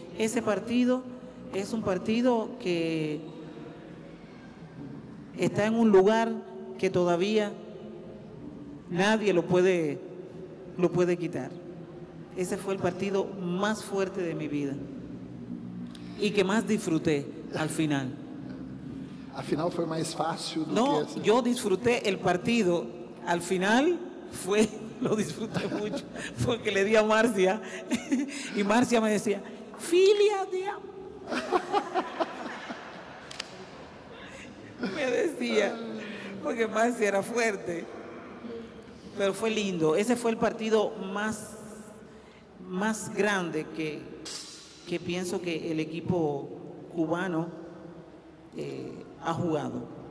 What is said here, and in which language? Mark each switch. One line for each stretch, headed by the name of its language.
Spanish: Ese partido es un partido que está en un lugar que todavía nadie lo puede quitar. Ese fue el partido más fuerte de mi vida y que más disfruté al final.
Portuguese: Afinal, foi mais fácil do no, que essa. Não, eu disfruté o partido.
Spanish: Al final, lo disfruté muito, porque le di a Márcia. E Márcia me decía: filha de me decía, porque Márcia era fuerte.
Portuguese: Mas foi lindo. Ese foi o partido mais grande que penso que o equipo cubano
Spanish: ha jugado.